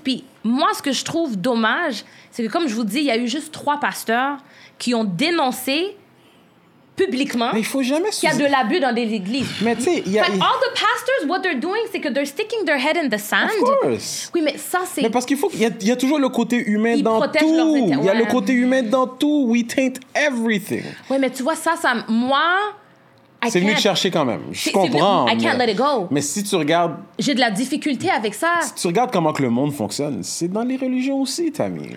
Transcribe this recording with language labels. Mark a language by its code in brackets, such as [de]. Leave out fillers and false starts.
[fr] Puis moi, ce que je trouve dommage, c'est que comme je vous dis, il y a eu juste 3 pasteurs qui ont dénoncé publiquement, mais il faut jamais qu'il y a de l'abus dans des églises. Mais tu sais, il y a... [en] All the pastors, what they're doing, [fr] c'est que [en] they're sticking their head in the sand. Of course. [fr] Oui, mais ça, c'est... Mais parce qu'il faut... Il y a toujours le côté humain ils dans tout. Ils protègent leurs intérêts. Il y a le côté humain dans tout. [en] We taint everything. [fr] Oui, mais tu vois, ça moi... C'est venu te chercher quand même. Je comprends. Mais si tu regardes... J'ai de la difficulté avec ça. Si tu regardes comment que le monde fonctionne, c'est dans les religions aussi, Tammy.